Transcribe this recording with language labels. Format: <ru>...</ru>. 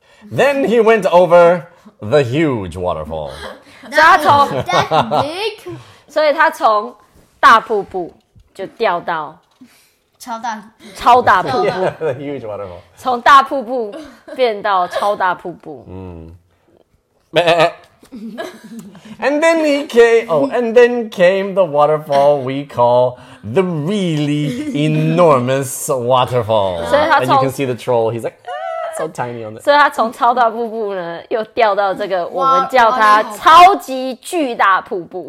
<en>Then he went over the huge waterfall. That big?</en> <zh>所以他从大瀑布就掉到超大瀑布</zh> <en>yeah, the huge waterfall.</en> <zh>从大瀑布变到超大瀑布</zh> <en>And then he came. Oh, and then came the waterfall we call the really enormous waterfall. And you can see the troll. He's like, so tiny on it.</en> <zh>所以他从超大瀑布呢，又掉到这个我们叫它超级巨大瀑布。</zh>